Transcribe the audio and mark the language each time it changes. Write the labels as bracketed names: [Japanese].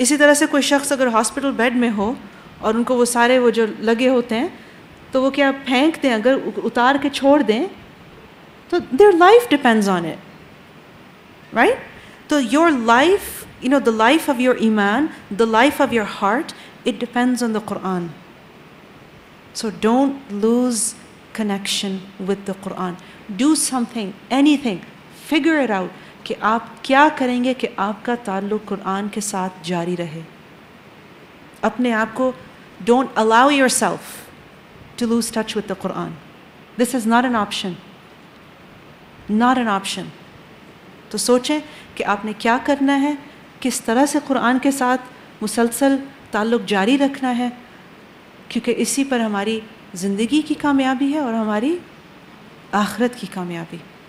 [Hindi] इसी तरह से कोई शख्स अगर हॉस्पिटल बेड में हो और उनको वो सारे वो जो लगे होते हैं तो वो क्या फेंक दें, अगर उतार के छोड़ दें तो [English] Their life depends on it, right. तो your life, you know the life of your ईमान, the life of your heart, it depends on the Quran. So don't lose connection with the Quran. Do something, anything. Figure it out. [Hindi] कि आप क्या करेंगे कि आपका ताल्लुक कुरान के साथ जारी रहे। अपने आप को, [English] don't allow yourself to lose touch with the Quran. This is not an option. Not an option. [Hindi] तो सोचें कि आपने क्या करना है, किस तरह से कुरान के साथ मुसलसल ताल्लुक जारी रखना है, क्योंकि इसी पर हमारी ज़िंदगी की कामयाबी है और हमारी आखरत की कामयाबी।